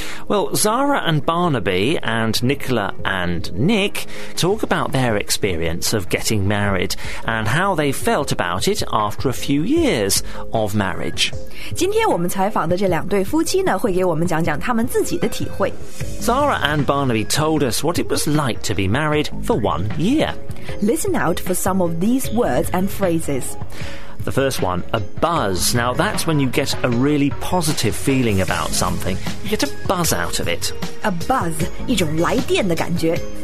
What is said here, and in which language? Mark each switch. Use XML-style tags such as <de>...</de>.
<en>Well, Zara and Barnaby and Nicola and Nick talk about their experience of getting married and how they felt about it after a few years of marriage.</en> <zh>今天我们采访的这两对夫妻呢,会给我们 我们讲讲他们自己的体会</zh> <en>Zara and Barnaby told us what it was like to be married for 1 year. Listen out for some of these words and phrases. The first one, a buzz. Now that's when you get a really positive feeling about something. You get a buzz out of it.</en> <zh>A buzz, 一种来电的感觉.</zh>